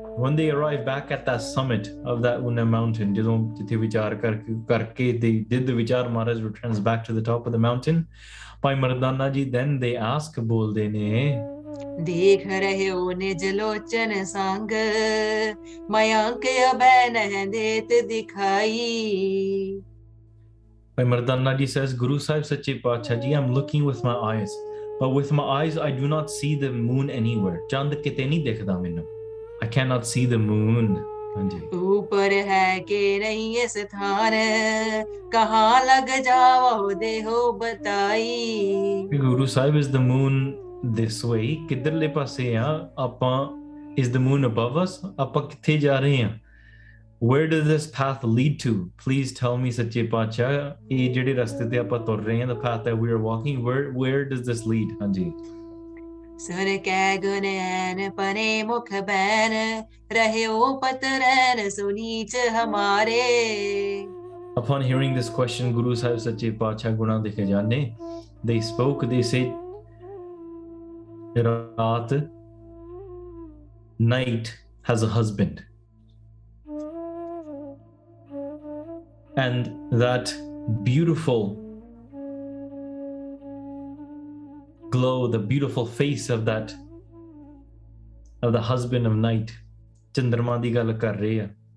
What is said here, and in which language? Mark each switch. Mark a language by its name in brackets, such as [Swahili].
[English] When they arrived back at that summit of that Una mountain, [Punjabi] jadon jithe vichar karke [English] they did the vichar, Maharaj returns back to the top of the mountain. Bhai Mardana ji, then they ask, [Punjabi] bolde ne, ਦੇਖ ਰਹੇ ਹੋ ਨਿਜ ਲੋਚਨ ਸੰਗ ਮਯੰਕ ਅਭੈ ਨਹਿ ਦੇਤ ਦਿਖਾਈ. [English] Bhai Mardana ji says, Guru Sahib Sache Paatshah ji, I'm looking with my eyes, but with my eyes I do not see the moon anywhere. [Punjabi] Chand kithe nahi dikhda mainu. [English] I cannot see the moon. [Punjabi] Upar hai ke nahi is thaan, kahan lag jaao deho batai. [English] Guru Sahib, is the moon this way? [Punjabi] Kidhar le passe aa apan [English] Is the moon above us? [Punjabi] ਆਪਾਂ ਕਿੱਥੇ ਜਾ ਰਹੇ ਹਾਂ? [English] Where does this path lead to? Please tell me, Sache Pacha, [Punjabi] ਇਹ ਜਿਹੜੇ ਰਸਤੇ ਤੇ ਆਪਾਂ ਤੁਰ ਰਹੇ ਹਾਂ, [English] the path that we are walking, where does this lead? ਹਾਂਜੀ. [Punjabi] ਸੁਨ ਕੈ ਗੁਣ ਐਨ ਪਨੇ ਮੁਖ ਬੈਨ ਰਹੇ ਓ ਪਤ ਰੈਨ ਸੁਨੀ ਚ ਹਮਾਰੇ. [English] Upon hearing this question, Guru Sahib Sache Pacha Guna de Khajane, they spoke, they said, Rat, night has a husband. And that beautiful glow, the beautiful face of that, of the husband of night, [Punjabi] Chandrama di gal kar rahi hai.